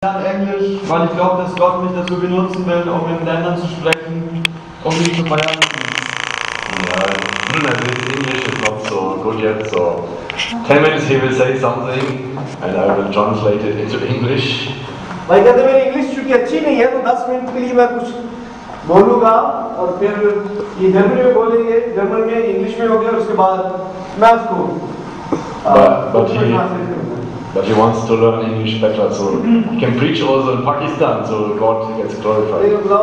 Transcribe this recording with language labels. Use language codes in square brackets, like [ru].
[de] Ich lerne Englisch, weil ich glaube, dass Gott mich dazu benutzen will, um in Ländern zu sprechen, um mich zu feiern. Ja, natürlich Englisch ist noch so gut jetzt. [en] So, 10 minutes he will say something, and I will translate it into English. [de] Weil ich meine Englisch schon [hi] अच्छी नहीं है, तो 10 minute के लिए मैं कुछ बोलूँगा और फिर ये जर्मनी में बोलेंगे, जर्मन में इंग्लिश में हो गया और उसके बाद मैं उसको. [en] But he wants to learn English better, so he can preach also in Pakistan, so God gets glorified.